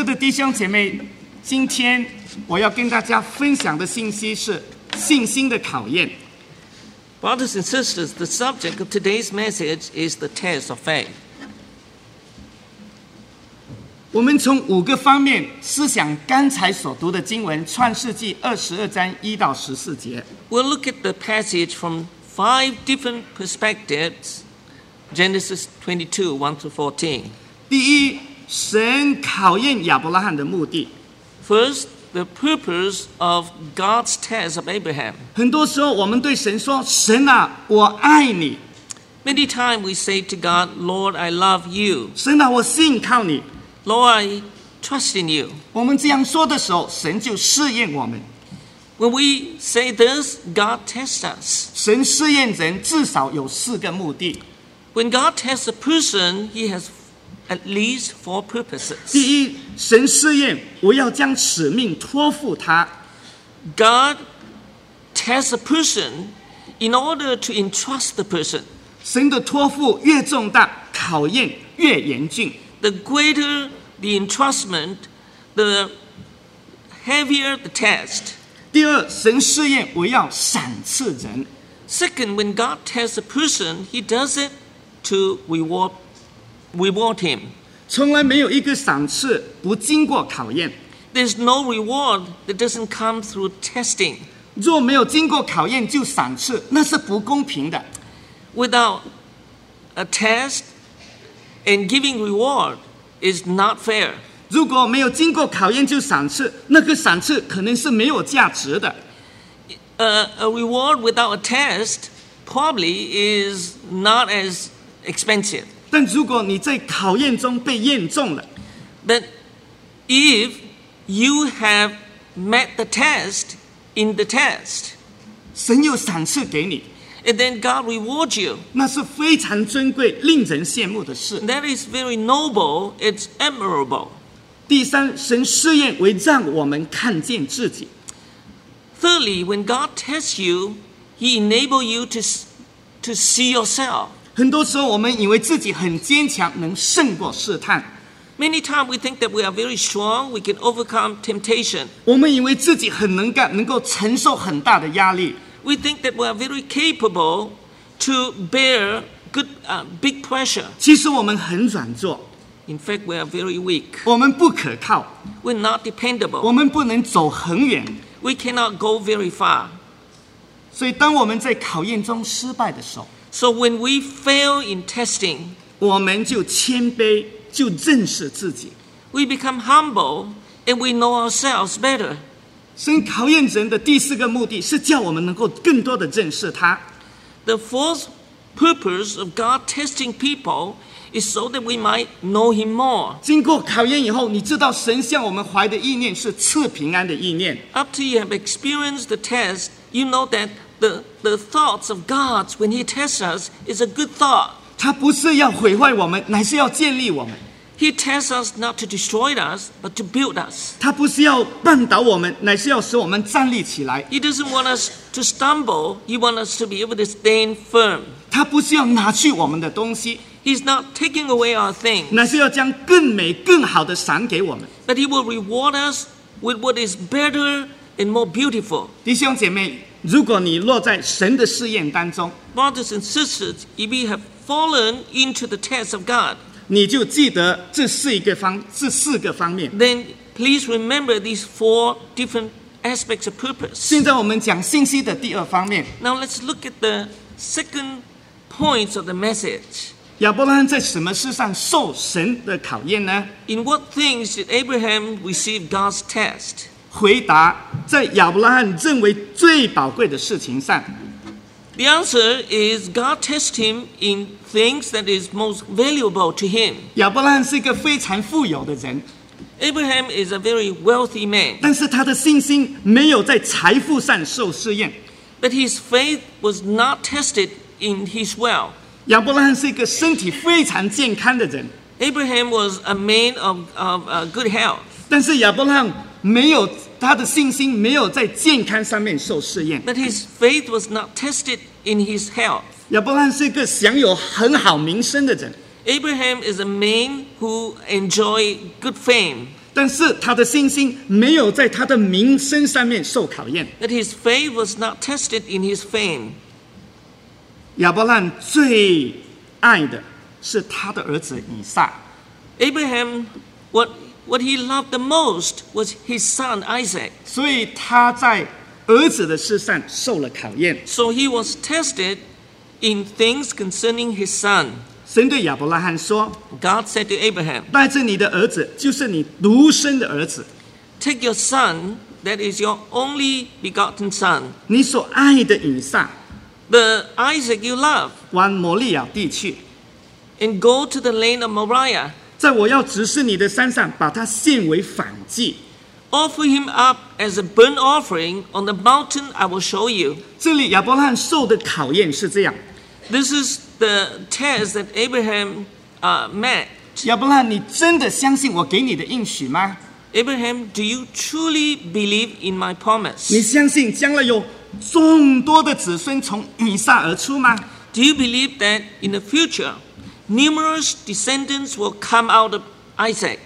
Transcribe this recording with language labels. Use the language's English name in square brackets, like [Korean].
[Chinese] 兄姐妹，今天我要跟大家分享的信息是信心的考验。 [English] Brothers and sisters, the subject of today's message is the test of faith. [Chinese] 我们从五个方面思想刚才所读的经文，《创世纪》二十二章一到十四节。 [English] We'll look at the passage from five different perspectives, Genesis 22, 1 to 14. [Chinese] 第一，神考验亚伯拉罕的目的。 [English] First,The purpose of God's test of Abraham. [Chinese] 很多时候我们对神说，神啊，我爱你。 [English] Many times we say to God, Lord, I love you. [Chinese] 神啊，我信靠你。 [English] Lord, I trust in you. [Chinese] 我们这样说的时候，神就试验我们。 [English] When we say this, God tests us. [Chinese] 神试验人至少有四个目的。 [English] When God tests a person, he has At least four purposes. [Chinese] 第一，神试验，我要将使命托付他。 [English] God tests a person in order to entrust the person. [Chinese] 神的托付越重大，考验越严峻。 [English] The greater the entrustment, the heavier the test. [Chinese] 第二，神试验，我要赏赐人。 [English] Second, when God tests a person, he does it to reward people. Reward him. [Chinese] 从来没有一个赏赐不经过考验。 [English] There's no reward that doesn't come through testing. [Chinese] 若没有经过考验就赏赐，那是不公平的。 [English] Without a test and giving reward is not fair. [Chinese] 如果没有经过考验就赏赐，那个赏赐可能是没有价值的。 [English] A reward without a test probably is not as expensive. [Chinese] 但如果你在考验中被验中了 [English] ，But if you have met the test in the test， [Chinese] 神又赏赐给你 [English] ，And then God rewards you， [Chinese] 那是非常尊贵、令人羡慕的事。 [English] That is very noble. It's admirable. [Chinese] 第三，神试验为让我们看见自己。 [English] Thirdly, when God tests you, He enables you to see yourself. [Chinese] 很多时候我们以为自己很坚强，能胜过试探。 [English] Many times we think that we are very strong, we can overcome temptation. [Chinese] 我们以为自己很能干，能够承受很大的压力。 [English] We think that we are very capable to bear big pressure. [Chinese] 其实我们很软弱。 [English] In fact, we are very weak. [Chinese] 我们不可靠。 [English] We're not dependable. [Chinese] 我们不能走很远。 [English] We cannot go very far. [Chinese] 所以当我们在考验中失败的时候， [English] So when we fail in testing, [Chinese] 我们就谦卑，就认识自己。 [English] We become humble and we know ourselves better. [Chinese] 神考验人的第四个目的是叫我们能够更多的认识他。 [English] The fourth purpose of God testing people is so that we might know him more. [Chinese] 经过考验以后，你知道神向我们怀的意念是赐平安的意念。 [English] After you have experienced the test, you know that The thoughts of God when He tests us is a good thought. [Chinese] 他不是要毁坏我们，乃是要建立我们。 [English] He tests us not to destroy us, but to build us. [Chinese] 他不是要绊倒我们，乃是要使我们站立起来。 [English] He doesn't want us to stumble. He wants us to be able to stand firm. [Chinese] 他不是要拿去我们的东西。 [English] He's not taking away our things. [Chinese] 乃是要将更美、更好的赏给我们。 [English] But He will reward us with what is better and more beautiful. [Chinese] 弟兄姐妹。如果你落在神的试验当中 [English] Brothers and sisters, if we have fallen into the test of God, [Chinese] 你就记得这四个方面。 [English] Then please remember these four different aspects of purpose. [Chinese] 现在我们讲信息的第二方面。 [English] Now let's look at the second point of the message. [Chinese] 亚伯拉罕在什么事上受神的考验呢？ [English] In what things did Abraham receive God's test? [Chinese] 回答在亚伯拉罕认为最宝贵的事情上。 [English] The answer is God tests him in things that is most valuable to him. [Chinese] 亚伯拉罕是一个非常富有的人。 [English] Abraham is a very wealthy man. [Chinese] 但是他的信心没有在财富上受试验。 [English] But his faith was not tested in his wealth. [Chinese] 亚伯拉罕是一个身体非常健康的人。 [English] Abraham was a man of good health. [Chinese] 但是亚伯拉罕没有他的信心，没有在健康上面受试验。 [English] But his faith was not tested in his health. [Chinese] 亚伯拉罕是一个享有很好名声的人。 [English] Abraham is a man who enjoyed good fame. [Chinese] 但是他的信心没有在他的名声上面受考验。 [English] That his faith was not tested in his fame. [Chinese] 亚伯兰最爱的是他的儿子以撒。 [English] Abraham, what he loved the most was his son Isaac. [Chinese] 所以他在儿子的事上受了考验。 [English] So he was tested in things concerning his son. [Chinese] 神对亚伯拉罕说 [English] ，God said to Abraham， [Chinese] 带着你的儿子，就是你独生的儿子 [English] ，Take your son， that is your only begotten son， [Chinese] 你所爱的以撒 [English] ，the Isaac you love， [Chinese] 往摩利亚地去 [English] ，and go to the land of Moriah， [Chinese] 在我要指示你的山上，把它献为燔祭 [English] ，offer him up as a burnt offering on the mountain I will show you。 [Chinese] 这里亚伯拉罕受的考验是这样。 [English] This is the test that Abraham met. [Chinese] 亚伯拉罕，你真的相信我给你的应许吗 [English] ？Abraham, do you truly believe in my promise? [Chinese] 你相信将来有众多的子孙从以撒而出吗 [English] ？Do you believe that in the future, numerous descendants will come out of Isaac?